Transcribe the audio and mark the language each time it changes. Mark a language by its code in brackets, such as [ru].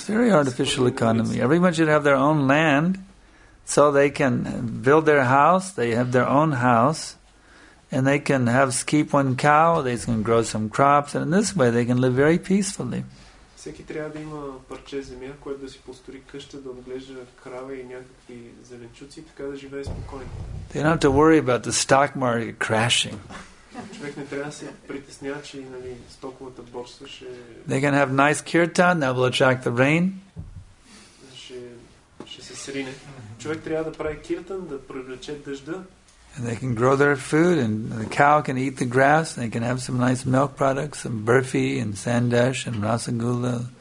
[en] It's a very artificial economy. Everyone should have their own land so they can build their house, they have their own house. And they can have keep one cow, they can grow some crops, and in this way they can live very peacefully. [bg] Всеки трябва да има парче земя, което да си построи къща, да отглежда крава и някакви зеленчуци, така да живее спокойно. [en] They don't have to worry about the stock market crashing. [bg] Човек не трябва да се притеснява, че стоковата борса ще. [en] They can have nice kirtan, that will attract the rain. [bg] Ще се срине. Човек трябва да прави киртан, да привлече дъжда. [en] And they can grow their food, and the cow can eat the grass, and they can have some nice milk products, some burfi, and sandesh, and rasagula.